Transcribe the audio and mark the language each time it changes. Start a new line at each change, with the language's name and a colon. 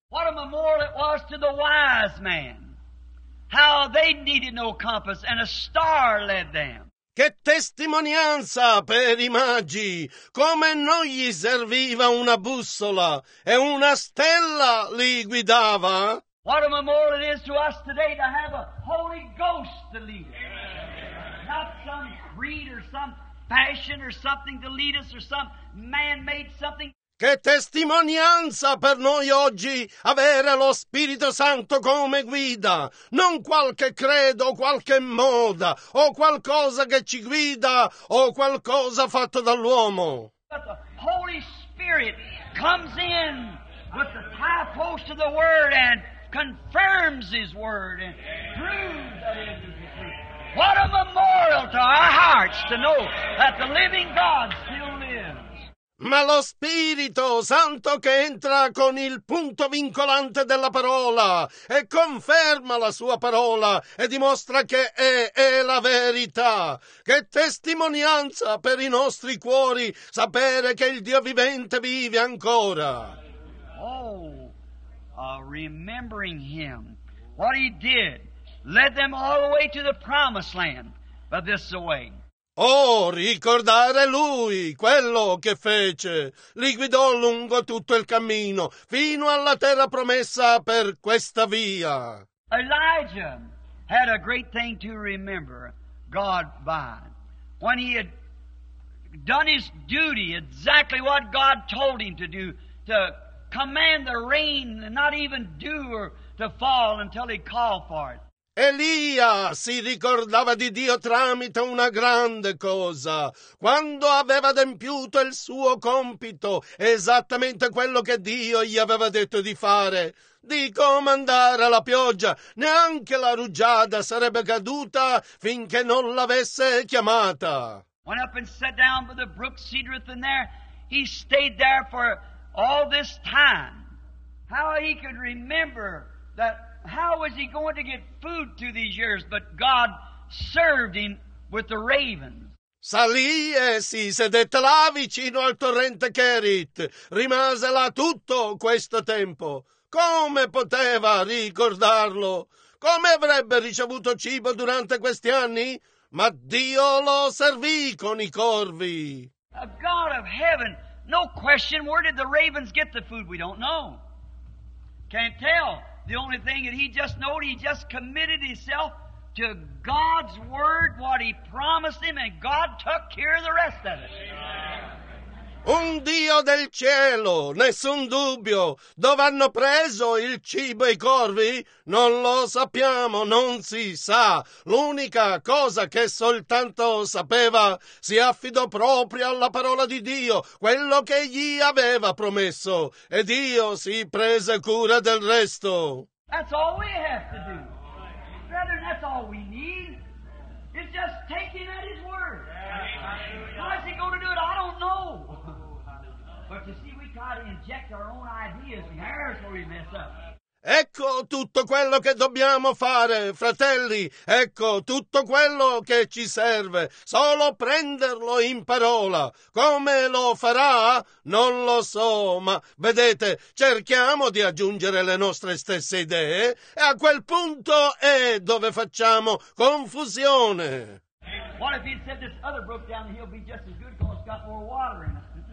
English: What a memorial it was to the wise man, how they needed no compass and a star led them.
Italian: Che testimonianza per i magi, come non gli serviva una bussola e una stella li guidava.
English: What a memorial it is to us today to have a Holy Ghost to lead us. Not some creed or some passion or something to lead us or some man-made something.
Italian: Che testimonianza per noi oggi avere lo Spirito Santo come guida, non qualche credo, qualche moda, o qualcosa che ci guida, o qualcosa fatto dall'uomo.
English: But the Holy Spirit comes in with the high post of the Word and confirms His Word and proves that it is the truth. What a memorial to our hearts to know that the living God still lives.
Italian: Ma lo Spirito Santo che entra con il punto vincolante della parola e conferma la sua parola e dimostra che è la verità. Che testimonianza per i nostri cuori sapere che il Dio vivente vive ancora.
English: Oh, remembering him, what he did, led them all the way to the promised land, but this is the way.
Italian: Oh, ricordare lui, quello che fece, li guidò lungo tutto il cammino, fino alla terra promessa per questa via.
English: Elijah had a great thing to remember God by. When he had done his duty, exactly what God told him to do, to command the rain, not even dew or to fall until he called for it.
Italian: Elia si ricordava di Dio tramite una grande cosa, quando aveva adempiuto il suo compito, esattamente quello che Dio gli aveva detto di fare, di comandare la pioggia. Neanche la rugiada sarebbe caduta finché non l'avesse chiamata.
English: Went up and sat down by the brook Cedrith, and there he stayed there for all this time. How he could remember that. How was he going to get food through these years? But God served him with the ravens.
Italian: Salì e si sedette là vicino al torrente Cherith. Rimase là tutto questo tempo. Come poteva ricordarlo? Come avrebbe ricevuto cibo durante questi anni? Ma Dio lo servì con i corvi.
English: A God of heaven, no question, where did the ravens get the food? We don't know. Can't tell. The only thing that he just knew, he just committed himself to God's word, what he promised him, and God took care of the rest of it.
Italian: Un Dio del cielo, nessun dubbio. Dove hanno preso il cibo i corvi? Non lo sappiamo, non si sa. L'unica cosa che soltanto sapeva, si affidò proprio alla parola di Dio, quello che gli aveva promesso. E Dio si prese cura del resto.
English: That's all we have to do. Brethren, that's all we need. It's just taking at his word. How is he going to do it? I don't know. But you see, we got to inject our own ideas in there so we mess up.
Italian: Ecco tutto quello che dobbiamo fare, fratelli. Ecco tutto quello che ci serve. Solo prenderlo in parola. Come lo farà? Non lo so, ma vedete, cerchiamo di aggiungere le nostre stesse idee e a quel punto è dove facciamo confusione.
English: What if he said this other brook down the hill be just as good because it's got more water in it?